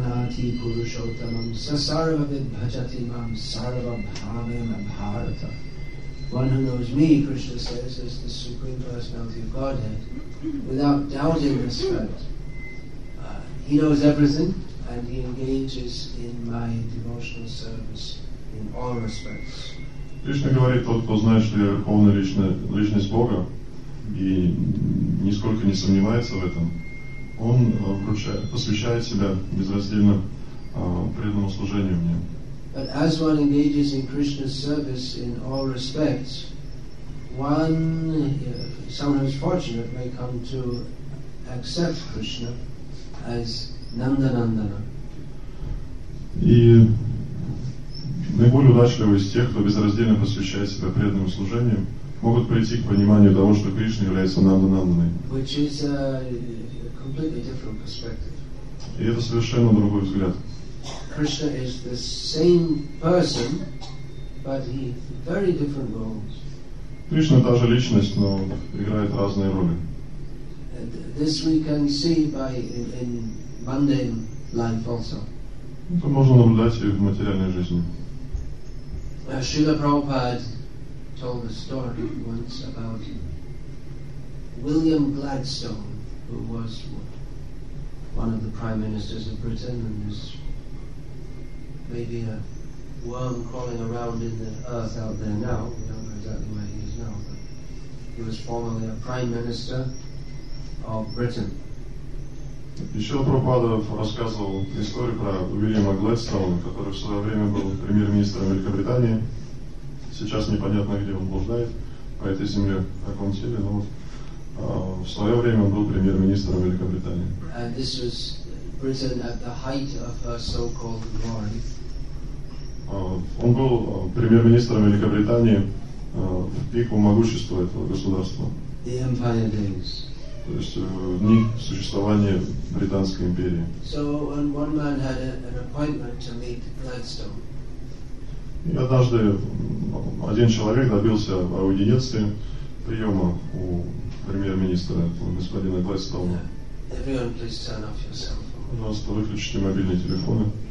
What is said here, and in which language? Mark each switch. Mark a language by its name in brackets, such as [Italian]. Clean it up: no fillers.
[English] One who knows me, Krishna says, is the supreme personality of Godhead. Without doubting this fact, he knows everything and he engages in my devotional service in all respects. [Russian] Кришна говорит, тот, кто знает, что я верховная личность Бога, и нисколько не сомневается в этом, он посвящает себя безраздельно преданному служению мне. [English] But as one engages in Krishna's service in all respects, one, sometimes fortunate, may come to accept Krishna as Nanda-Nandana. [Russian] И наиболее удачливый из тех, кто безраздельно посвящает себя преданному служению, могут прийти к пониманию того, что Кришна является Нанда-Нанданой. [English] Which is a completely different perspective. [Russian] И это совершенно другой взгляд. [English] Krishna is the same person, but he very different roles. [Russian] Кришна та же личность, но играет разные роли. [English] This we can see by in mundane life also. [Russian] Это можно наблюдать и в материальной жизни. [English] Шрила Прабхупада told a story once about William Gladstone, who was one of the prime ministers of Britain and is maybe a worm crawling around in the earth out there now. We don't know exactly where he is now, but he was formerly a prime minister of Britain. [Russian] Шрила Прабхупада рассказывал историю про Уильяма Гладстоуна, который в свое время был премьер-министром Великобритании. Сейчас непонятно, где он блуждает по этой земле, как он сидит, но в свое время он был премьер-министром Великобритании. [English] And this was Britain at the height of her so-called glory. [Russian] Он был премьер-министром Великобритании в пику могущества этого государства. [English] The empire days. [Russian] то есть в дни существования Британской империи. [English] So when one man had an appointment to meet Gladstone. [Russian] И однажды один человек добился аудиенции приема у премьер-министра, у господина Гладстоуна. [English] Everyone, please turn off your cell phone. [Russian] Пожалуйста, выключите мобильные телефоны.